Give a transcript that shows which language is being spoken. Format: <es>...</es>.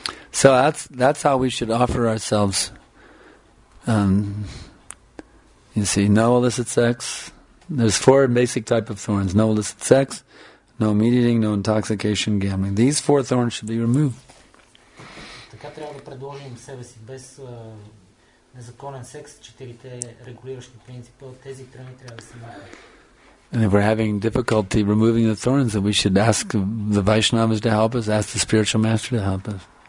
<en>So that's how we should offer ourselves. You see, no illicit sex. There's four basic type of thorns. No illicit sex, no meat eating, no intoxication, gambling. These four thorns should be removed.</en> <bg>Така трябва да предложим себе си без незаконен секс, четирите регулиращи принципа, тези тръни трябва да се махнат.</bg> <en>And if we're having difficulty removing the thorns, then we should ask the Vaishnavas to help us, ask the spiritual master to help us.</en>